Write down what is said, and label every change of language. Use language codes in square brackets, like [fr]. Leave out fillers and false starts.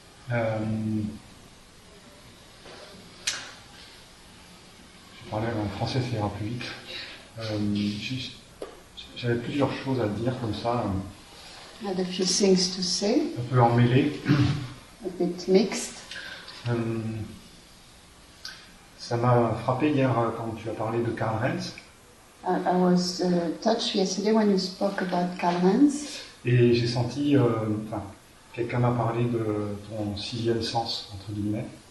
[fr] Je parlais en français, ça ira plus vite. J'avais plusieurs choses à dire comme ça. [en] I had a few things to say. [fr] Un peu emmêlé. [en] A bit mixed. [fr] Ça m'a frappé hier quand tu as parlé de Karl Renz. [en] I was touched yesterday when you spoke about Karl Renz. [fr] Et j'ai senti, quelqu'un m'a parlé de ton sixième sens, entre guillemets.